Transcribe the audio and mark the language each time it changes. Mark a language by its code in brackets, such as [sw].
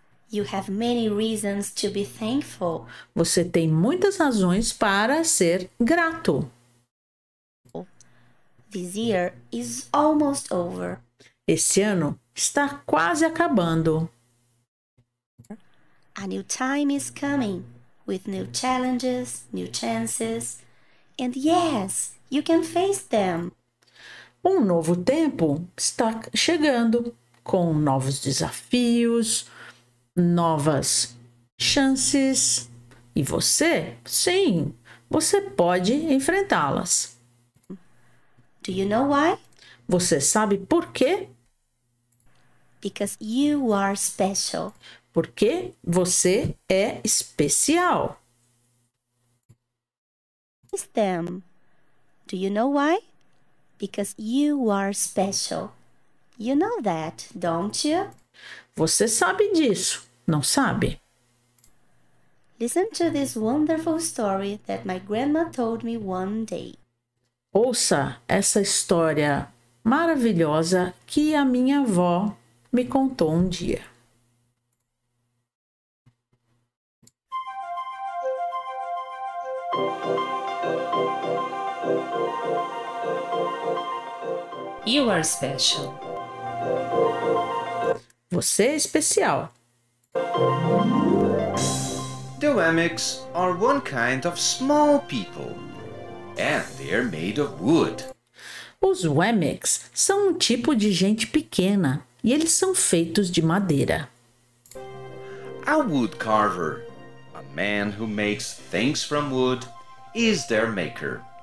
[en] You have many reasons to be thankful. [pt] Você tem muitas razões para ser grato. [en] This year is almost over. [pt] Esse ano está quase acabando. [en] A new time is coming, with new challenges, new chances, and yes, you can face them. [pt] Um novo tempo está chegando, com novos desafios, novas chances. E você? Sim, você pode enfrentá-las. [en] Do you know why? [pt] Você sabe por quê? [en] Because you are special. [pt] Porque você é especial. [en] Face them. Do you know why? Because you are special. You know that, don't you? [pt] Você sabe disso, não sabe? [en] Listen to this wonderful story that my grandma told me one day. [pt] Ouça essa história maravilhosa que a minha avó me contou um dia. [en] You are special. [pt] Você é especial. [en] Doemics are one kind of small people. And they are made of wood. [pt] Os Wemmicks são um tipo de gente pequena e eles são feitos de madeira. [en] A wood carver, a man who makes things from wood, is their maker.